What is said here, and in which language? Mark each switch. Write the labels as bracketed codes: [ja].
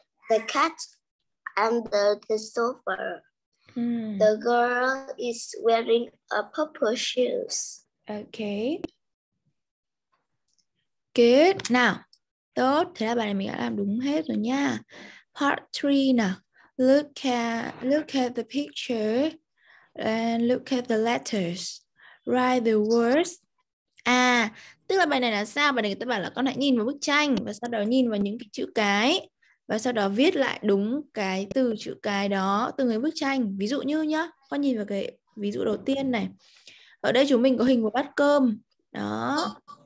[en] The cat under the sofa. The girl is wearing a purple shoes. Okay. Good. Now, [vi] tốt. Thế là bài này mình đã làm đúng hết rồi nha. [en] Part 3 nè. Look at the picture and look at the letters. Write the words. [vi] À, tức là bài này là sao? Bài này người ta bảo là con hãy nhìn vào bức tranh và sau đó nhìn vào những cái chữ cái và sau đó viết lại đúng cái từ chữ cái đó từ cái bức tranh. Ví dụ như nhá, con nhìn vào cái ví dụ đầu tiên này. Ở đây chúng mình có hình một bát cơm. Đó.